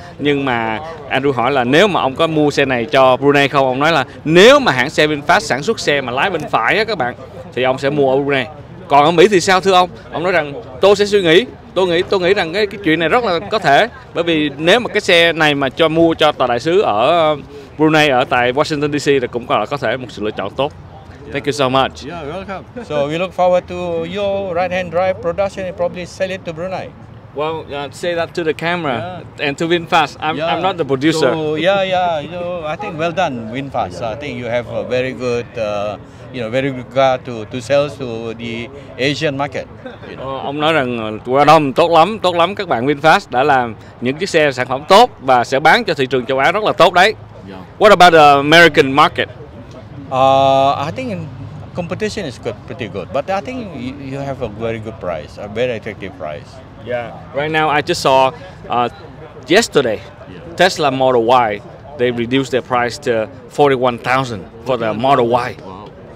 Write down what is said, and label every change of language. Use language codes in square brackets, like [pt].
[vi] Nhưng mà Andrew hỏi là nếu mà ông có mua xe này cho Brunei không, ông nói là nếu mà hãng xe VinFast sản xuất xe mà lái bên phải á các bạn, thì ông sẽ mua ở Brunei. Còn ở Mỹ thì sao thưa ông? Ông nói rằng tôi sẽ suy nghĩ, tôi nghĩ rằng cái chuyện này rất là có thể. Bởi vì nếu mà cái xe này mà cho mua cho tòa đại sứ ở Brunei, ở tại Washington DC, thì cũng có thể một sự lựa chọn tốt. [en] Thank you so much. Yeah, welcome. So we look forward to your right-hand drive production and probably sell it to Brunei. Well, say that to the camera and to VinFast. I'm not the producer. So, you know, I think well done, VinFast. Yeah. I think you have a very good, very good car to sell to the Asian market. [vi] Ông nói rằng qua đông tốt lắm các bạn VinFast đã làm những chiếc xe sản phẩm tốt và sẽ bán cho thị trường châu Á rất là tốt đấy. [en] Yeah. What about the American market? I think competition is good, pretty good, but I think you have a very good price, a very attractive price. Yeah. Right now, I just saw yesterday Tesla Model Y. They reduced their price to $41,000 for the Model Y.